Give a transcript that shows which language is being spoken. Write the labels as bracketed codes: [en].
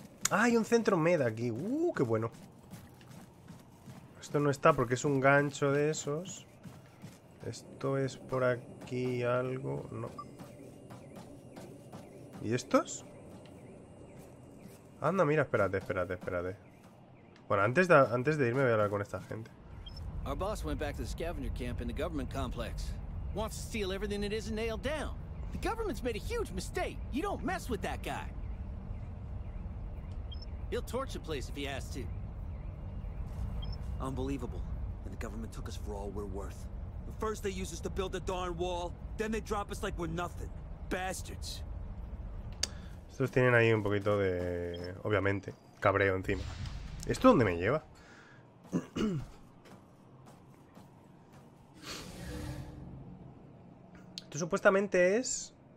[es] ¡Ah, hay un centro med aquí! ¡Qué bueno! Esto no está porque es un gancho de esos. Esto es por aquí algo... No. ¿Y estos? Anda, mira, espérate. Bueno, antes de irme voy a hablar con esta gente. [en] Our boss went back to the scavenger camp in the government complex. Wants to steal everything that isn't nailed down. The government's made a huge mistake. You don't mess with that guy. He'll torch the place if he has to. Unbelievable. And the government took us for all we're worth. First they use us to build the darn wall, then they drop us like we're nothing. Bastards. [es] Estos tienen ahí un poquito de... Obviamente, cabreo encima. ¿Esto dónde me lleva? Esto supuestamente es...